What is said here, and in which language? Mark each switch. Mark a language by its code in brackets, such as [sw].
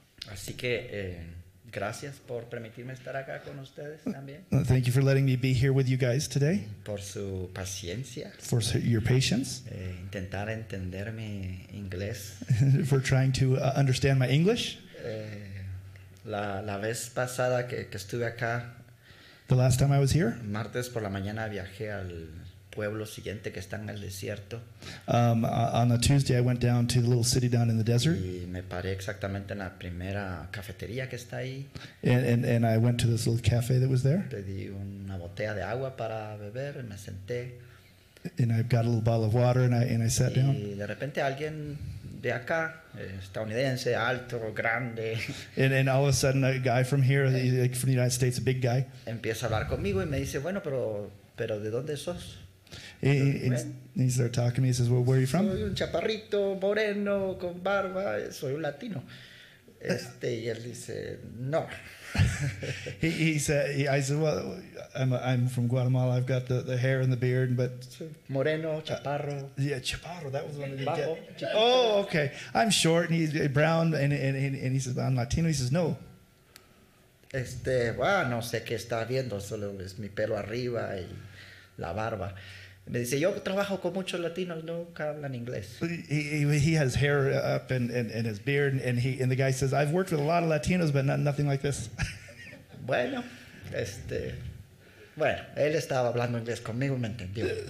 [es] Así que gracias por permitirme estar acá con ustedes también. [en] Thank you for letting me be here with you guys today. [es] Por su paciencia. [en] For your patience. [es] Intentar entender mi inglés. [en] For trying to understand my English. [es] La vez pasada que estuve acá. [en] The last time I was here. [es] Martes por la mañana viajé al pueblo siguiente que está en el desierto. [en] On a Tuesday I went down to the little city down in the desert. [es] Y me paré exactamente en la primera cafetería que está ahí. [en] And I went to this little cafe that was there. [es] Pedí una botella de agua para beber y me senté. [en] And I got a little bottle of water and I sat down. [es] Y de repente alguien de acá, estadounidense, alto, grande. [en] And all of a sudden a guy from here, like from the United States, a big guy. [es] Empieza a hablar conmigo y me dice, bueno, pero ¿de dónde sos? [en] He started talking to me. He says, well, where are you from? [es] Soy un chaparrito, moreno, con barba. Soy un latino. Y él dice, no. [en] I said, well, I'm from Guatemala. I've got the hair and the beard, but... [es] Moreno, chaparro. [en] Yeah, chaparro. That was one of the... Oh, okay. I'm short, and he's brown, and he says, I'm Latino. He says, no. [es] No sé qué está viendo. Solo es mi pelo arriba y la barba. Me dice, yo trabajo con muchos latinos, nunca hablan inglés. [en] He has hair up and his beard, and the guy says, I've worked with a lot of Latinos, but nothing like this. [es] Bueno, él estaba hablando inglés conmigo, me entendió.